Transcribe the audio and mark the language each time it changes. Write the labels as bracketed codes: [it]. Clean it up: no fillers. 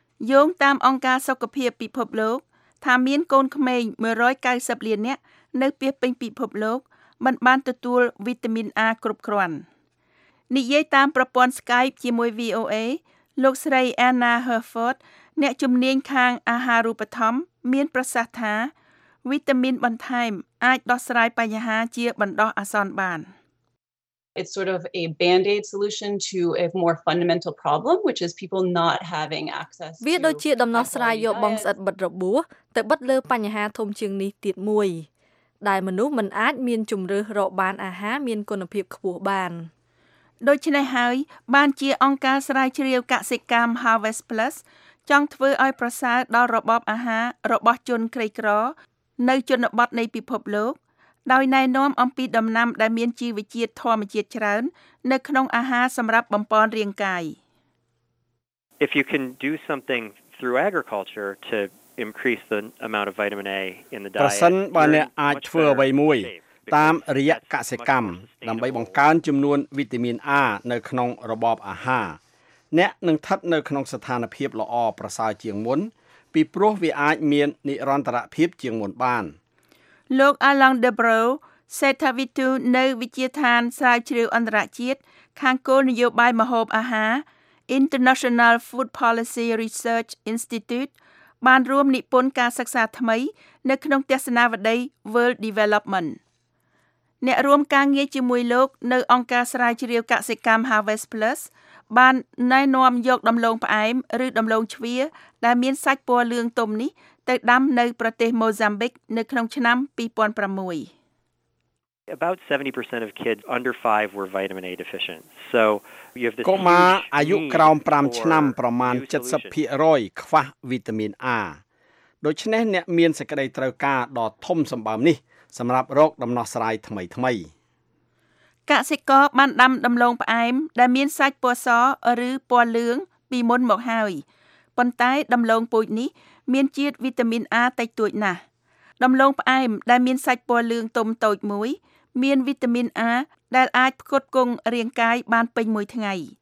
[km] យោងតាមអង្គការសុខភាពពិភពលោកថាមានកូនក្មេង190លាននាក់នៅពាសពេញពិភពលោកមិនបានទទួលវីតាមីន A គ្រប់គ្រាន់និយាយតាមប្រព័ន្ធ Skype ជាមួយ VOA លោកស្រី Anna Herford អ្នកជំនាញខាងអាហារូបត្ថម្ភមានប្រសាសន៍ថាវីតាមីនបន្ថែមអាចដោះស្រាយបញ្ហាជាបណ្ដោះអាសន្នបាន [en] It's sort of a band-aid solution to a more fundamental problem which is people not having access to [km] វាដូចជាដំណោះស្រាយយកបងស្អិតបិទរបួសទៅបិទលើបញ្ហាធំជាងនេះទៀតមួយដែលមនុស្សមិនអាចមានជម្រើសរកបានអាហារមានគុណភាពខ្ពស់បាន ដូច្នេះហើយបានជាអង្គការស្រាវជ្រាវកសិកម្ម Harvest Plus ចង់ធ្វើឲ្យប្រសើរដល់របបអាហាររបស់ជនក្រីក្រនៅជនបទនៃពិភពលោកដោយណែនាំអំពីដំណាំដែលមានជីវជាតិធម្មជាតិច្រើននៅក្នុងអាហារសម្រាប់បំប៉នរាងកាយ [en] If you can do something through agriculture to increase the amount of vitamin A in the diet [km] ប្រសិនបើអ្នកអាចធ្វើអ្វីមួយតាមរយៈកសិកម្មដើម្បីបង្កើនចំនួនវីតាមីន A នៅក្នុងរបបអាហារអ្នកនឹងស្ថិតនៅក្នុងស្ថានភាពល្អប្រសើរជាងមុនពីព្រោះវាអាចមាននិរន្តរភាពជាងមុនបាន លោក Alain Debreu សេដ្ឋវិទូនៅវិទ្យាស្ថានស្រាវជ្រាវអន្តរជាតិខាងគោលនយោបាយម្ហូបអាហារ International Food Policy Research Institute បានរួមនិពន្ធការសិក្សាថ្មីនៅក្នុងទស្សនវិស័យ World Development អ្នករួមការងារជាមួយលោកនៅអង្គការស្រាវជ្រាវកសិកម្ម Harvest Plus បានណែនាំយកដំឡូងផ្អែមឬដំឡូងជ្វាដែលមានសាច់ពណ៌លឿងទុំនេះទៅដាំនៅប្រទេសម៉ូហ្សាំប៊ិកនៅក្នុងឆ្នាំ2006 [en] About 70% of kids under 5 were vitamin A deficient. So you have this [km] កុមារអាយុក្រោម5ឆ្នាំប្រមាណ 70% ខ្វះវីតាមីន A ដូច្នេះអ្នកមានសក្តីត្រូវការដ៏ធំសម្បើមនេះសម្រាប់រោគដំណោះស្រាយថ្មីថ្មី កសិករបានដាំដំឡូងផ្អែមដែលមានសាច់ពណ៌សឬពណ៌លឿងពីមុនមកហើយប៉ុន្តែដំឡូងពូជនេះមានជាតិវីតាមីន A តិចតួចណាស់ដំឡូងផ្អែមដែលមានសាច់ពណ៌លឿងទុំតូចមួយមានវីតាមីន A ដែលអាចផ្គត់ផ្គង់រាងកាយបានពេញមួយថ្ងៃ